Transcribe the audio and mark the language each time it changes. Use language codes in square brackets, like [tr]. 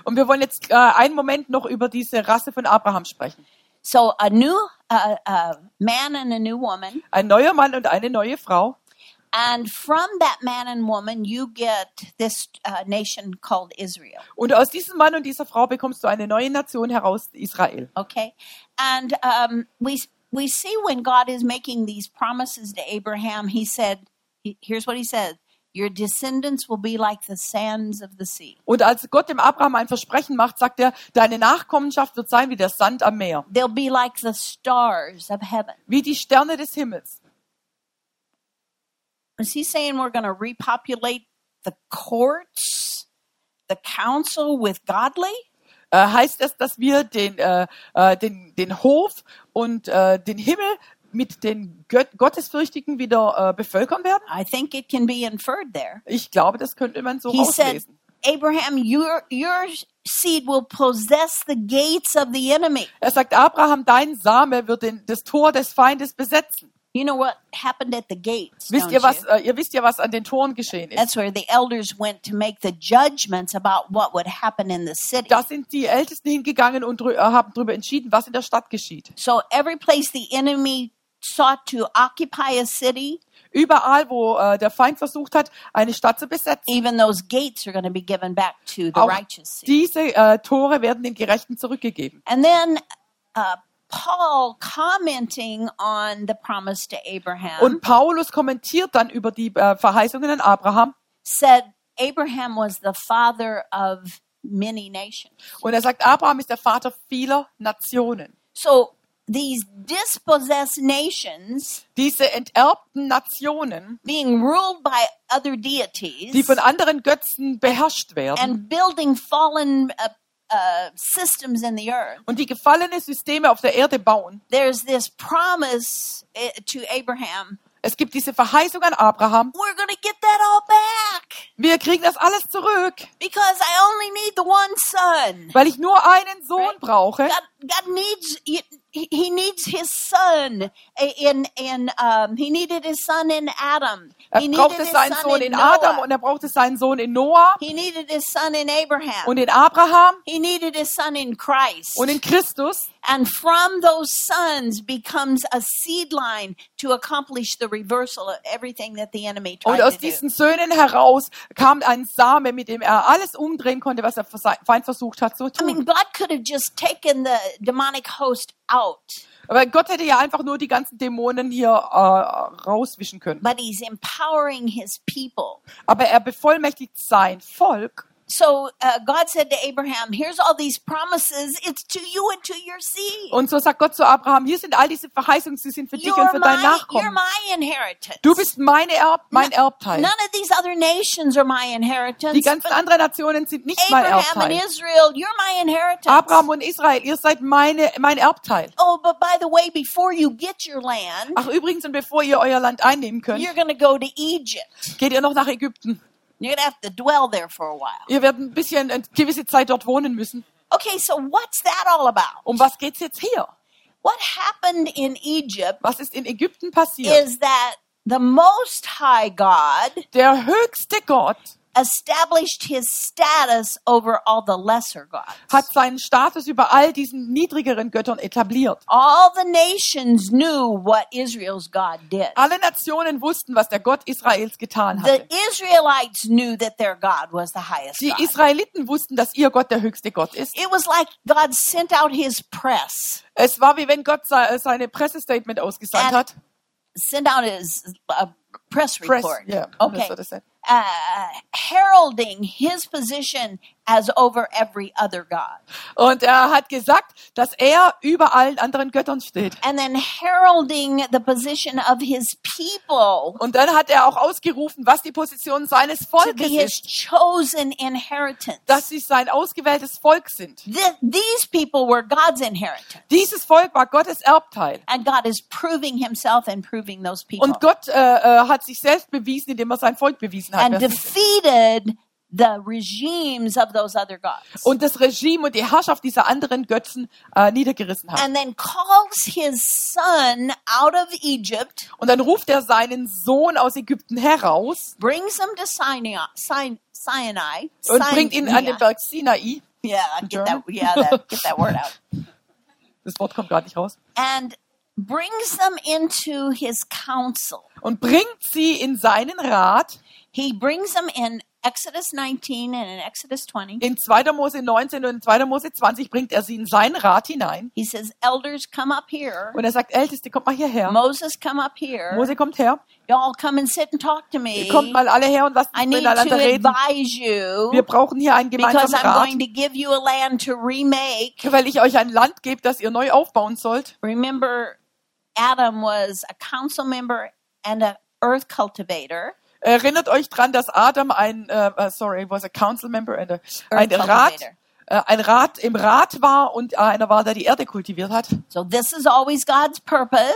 [de] Und wir wollen jetzt einen Moment noch über diese Rasse von Abraham sprechen. [en] So a new man and a new woman. [de] Ein neuer Mann und eine neue Frau. [en] And from that man and woman you get this nation called Israel. [de] Und aus diesem Mann und dieser Frau bekommst du eine neue Nation heraus, Israel. [en] Okay. And we see when God is making these promises to Abraham, he said, here's what he said. Your descendants will be like the sands of the sea. [de] Und als Gott dem Abraham ein Versprechen macht, sagt er, deine Nachkommenschaft wird sein wie der Sand am Meer. [en] They'll be like the stars of heaven. [de] Wie die Sterne des Himmels. [en] Is he saying we're going to repopulate the courts, the council with godly? [de] Heißt es, dass wir den Hof und den Himmel mit den Gottesfürchtigen wieder bevölkern werden? [en] I think it can be inferred there. [de] Ich glaube, das könnte man so auslesen. [en] He said, Abraham, your seed will possess the gates of the enemy. [de] Er sagt, Abraham, dein Same wird das Tor des Feindes besetzen. [en] You know what happened at the gates? [de] Wisst ihr was? Ihr wisst ja, was an den Toren geschehen ist. [en] That's where the elders went to make the judgments about what would happen in the city. [de] Da sind die Ältesten hingegangen und haben darüber entschieden, was in der Stadt geschieht. [en] So every place the enemy sought to occupy a city. [de] Überall, wo der Feind versucht hat, eine Stadt zu besetzen. [en] Even those gates are going to be given back to the righteous. [de] Auch diese Tore werden den Gerechten zurückgegeben. [en] And then. Paul commenting on the promise to Abraham. [de] Und Paulus kommentiert dann über die Verheißungen an Abraham. [en] Said Abraham was the father of many nations. [de] Und er sagt, Abraham ist der Vater vieler Nationen. [en] So these dispossessed nations, [de] diese enterbten Nationen, [en] being ruled by other deities, [de] die von anderen Götzen beherrscht werden, [en] and building fallen systems in the earth. [de] Und die gefallene Systeme auf der Erde bauen. [en] There's this promise to Abraham. [de] Es gibt diese Verheißung an Abraham. [en] We're gonna get that all back. [de] Wir kriegen das alles zurück. [en] Because I only need the one son. [de] Weil ich nur einen Sohn [en] right? [de] brauche. [en] God needs he needs his son he needed his son in Adam. [de] Er brauchte seinen Sohn in Adam und er brauchte seinen Sohn in Noah. [en] He needed his son in Abraham. [de] Und in Abraham. [en] He needed his son in Christ. [de] Und in Christus. [en] And from those sons becomes a seed line to accomplish the reversal of everything that the enemy tried to do. [de] Und aus diesen Söhnen heraus kam ein Same, mit dem er alles umdrehen konnte, was der Feind versucht hat zu tun. [en] I mean, God could have just taken the demonic host out. [de] Aber Gott hätte ja einfach nur die ganzen Dämonen hier rauswischen können. [en] But he's empowering his people. [de] Aber er bevollmächtigt sein Volk. [en] So God said to Abraham, here's all these promises, it's to you and to your seed. [de] Und so sagt Gott zu Abraham, hier sind all diese Verheißungen, sie sind für dich und für dein Nachkommen. [en] You're my inheritance. [de] Du bist mein Erbteil. [en] None of these other nations are my inheritance. [de] Die ganzen anderen Nationen sind nicht mein Erbteil. [en] Abraham and Israel, you're my inheritance. [de] Abraham und Israel, ihr seid mein Erbteil. [en] Oh, but by the way, before you get your land. [de] Ach übrigens, und bevor ihr euer Land einnehmen könnt. [en] You're gonna go to Egypt. [de] Geht ihr noch nach Ägypten? [en] You're gonna have to dwell there for a while. [de] Ihr werdet ein bisschen eine gewisse Zeit dort wohnen müssen. [en] Okay, so what's that all about? [de] Um was geht's jetzt hier? [en] What happened in Egypt? [de] Was ist in Ägypten passiert? [en] Is that the Most High God? [de] Der höchste Gott [en] established his status over all the lesser gods. [de] Hat seinen Status über all diesen niedrigeren Göttern etabliert. [en] All the nations knew what Israel's God did. [de] Alle Nationen wussten, was der Gott Israels getan hatte. [en] The Israelites knew that their God was the highest God. [de] Die Israeliten wussten, dass ihr Gott der höchste Gott ist. [en] It was like God sent out his press. [de] Es war wie wenn Gott seine Pressestatement ausgesandt hat. [en] Send out his press report. Yeah, okay. That's what I said. Heralding his position as over every other god. [de] Und er hat gesagt, dass er über allen anderen Göttern steht. [en] And then heralding the position of his people. [de] Und dann hat er auch ausgerufen, was die Position seines Volkes ist. [en] To be his chosen inheritance. [de] Dass sie sein ausgewähltes Volk sind. [en] These people were God's inheritance. [de] Dieses Volk war Gottes Erbteil. [en] And God is proving himself and proving those people. [de] Und Gott hat sich selbst bewiesen, indem er sein Volk bewiesen. [en] And defeated the regimes of those other gods. [de] Und das Regime und die Herrschaft dieser anderen Götzen niedergerissen hat. [en] And then calls his son out of Egypt. [de] Und dann ruft er seinen Sohn aus Ägypten heraus. [en] Brings him to Sinai. [de] Und bringt ihn an den Berg Sinai. [en] Get that word out. [de] Das Wort kommt gar nicht raus. [en] And brings them into his council. [de] Und bringt sie in seinen Rat. [en] He brings them in Exodus 19 and in Exodus 20. [de] In 2. Mose 19 und in 2. Mose 20 bringt er sie in sein Rat hinein. [en] He says, "Elders, come up here." [de] Und er sagt, Älteste, kommt mal hierher. [en] Moses, come up here. [de] Mose, kommt her. [en] Y'all come and sit and talk to me. [de] Kommt mal alle her und lasst uns miteinander reden. Wir brauchen hier einen gemeinsamen Rat. [en] Because I'm going to give you a land to remake. [de] Weil ich euch ein Land gebe, das ihr neu aufbauen sollt. [en] Remember, Adam was a council member and an earth cultivator. [de] Erinnert euch dran, dass Adam [en] was a council member and [de] ein Rat im Rat war und einer war, der die Erde kultiviert hat. [en] So this is always God's purpose.